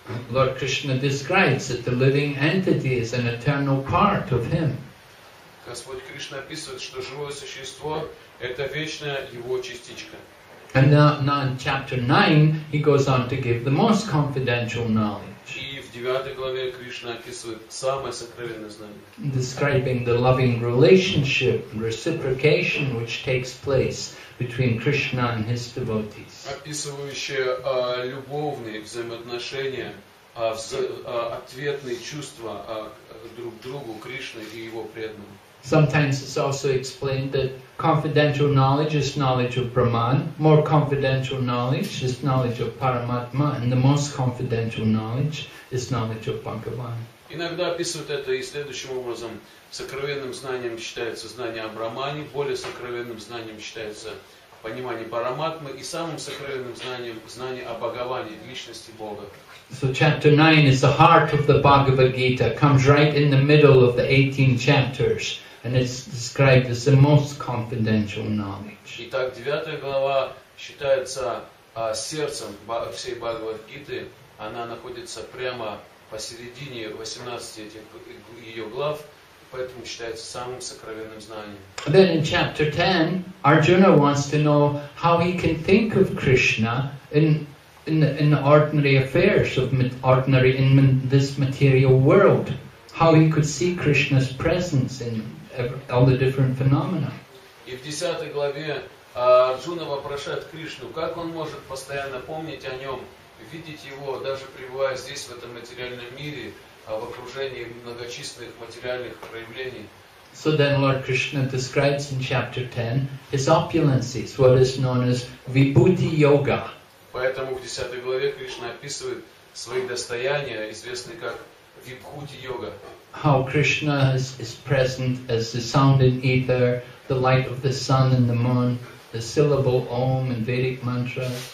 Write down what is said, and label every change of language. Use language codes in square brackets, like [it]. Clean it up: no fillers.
[en] Lord Krishna describes that the living entity is an eternal part of him. [ru] Господь Кришна описывает, что живое существо это вечная его частичка. [en] And now in chapter 9 he goes on to give the most confidential knowledge. [ru] И в 9 главе Кришна описывает самое сокровенное знание. [en] Describing the loving relationship, reciprocation which takes place between Krishna and his devotees. [ru] Описывающие любовные взаимоотношения, ответные чувства друг к другу Кришны и его преданным. [en] Sometimes it's also explained that confidential knowledge is knowledge of Brahman, more confidential knowledge is knowledge of Paramatma, and the most confidential knowledge is knowledge of Bhagavan. [ru] Иногда описывают это и следующим образом. Сокровенным знанием считается знание о Брамане, более сокровенным знанием считается понимание Параматмы и самым сокровенным знанием знание о Бхагаване, личности Бога. [en] So chapter 9 is the heart of the Bhagavad Gita, comes right in the middle of the 18 chapters, and it's described as the most confidential knowledge. [ru] Итак, 9 глава считается сердцем всей Бхагавад Гиты, она находится прямо посередине 18 этих ее глав, поэтому считается самым сокровенным знанием. [en] Then in chapter 10, Arjuna wants to know how he can think of Krishna in ordinary affairs of ordinary in this material world, how he could see Krishna's presence in all the different phenomena. [ru] И в 10 главе Арджуна вопрошает Кришну, как он может постоянно помнить о нем, видеть его, даже пребывая здесь, в этом материальном мире, в окружении многочисленных материальных проявлений. [en] So then Lord Krishna describes in chapter 10 his opulences, what is known as Vibhuti Yoga. [ru] Поэтому в 10 главе Кришна описывает свои достояния, известные как Vibhuti Yoga. [en] How Krishna is present as the sound in ether, the light of the sun and the moon, the syllable Om and Vedic mantra.